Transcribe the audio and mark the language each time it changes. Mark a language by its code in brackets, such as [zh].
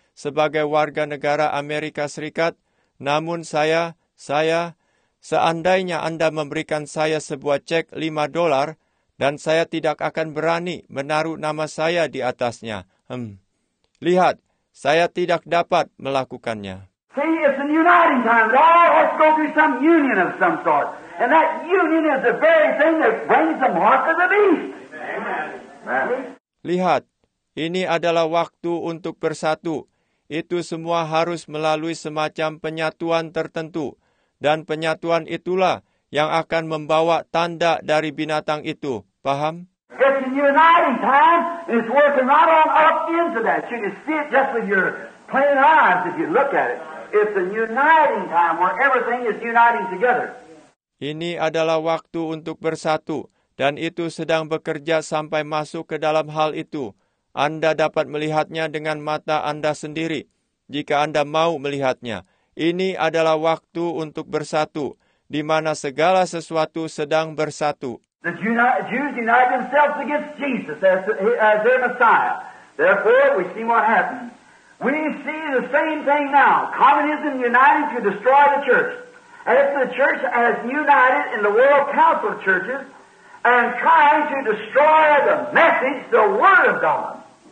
[id] Sebagai warga negara Amerika Serikat, namun saya, seandainya Anda memberikan saya sebuah cek $5, dan saya tidak akan berani menaruh nama saya di atasnya. Lihat, saya tidak dapat melakukannya. [en] See, it's an uniting time. We all have to go through some union of some sort. And that union is the very thing that brings the mark of the beast. [id] Lihat, ini adalah waktu untuk bersatu. Itu semua harus melalui semacam penyatuan tertentu. Dan penyatuan itulah yang akan membawa tanda dari binatang itu. Paham? [en] It's a uniting time. It's working right on up into that. You can see it just with your plain eyes if you look at it. It's a uniting time where everything is uniting together. [id] Ini adalah waktu untuk bersatu. Dan itu sedang bekerja sampai masuk ke dalam hal itu. Anda dapat melihatnya dengan mata Anda sendiri, jika Anda mau melihatnya. Ini adalah waktu untuk bersatu, di mana segala sesuatu sedang bersatu. [en] The Jews unite themselves against Jesus as their Messiah. Therefore, we see what happened. We see the same thing now. Communism united to destroy the church. And if the church has united in the World Council of Churches and trying to destroy the message, the Word of God.